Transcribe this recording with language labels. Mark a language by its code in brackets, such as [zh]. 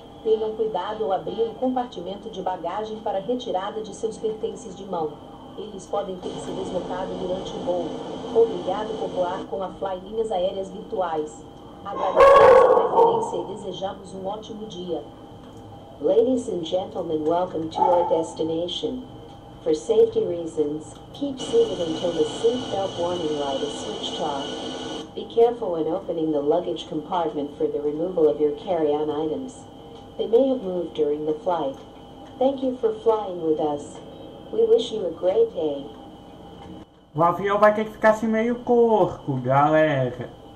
[pt] Tenham cuidado ao abrir o compartimento de bagagem para retirada de seus pertences de mão. Eles podem ter se deslocado durante o voo. Obrigado por voar com a Fly Linhas Aéreas Virtuais. Agradecemos a preferência e desejamos um ótimo dia. [en] Ladies and gentlemen, welcome to our destination. For safety reasons, keep seated until the seatbelt warning light is switched off. Be careful when opening the luggage compartment for the removal of your carry-on items. They may have moved during the flight. Thank you for flying with us. We wish you a great day. [pt] O avião vai ter que ficar assim meio corco, galera.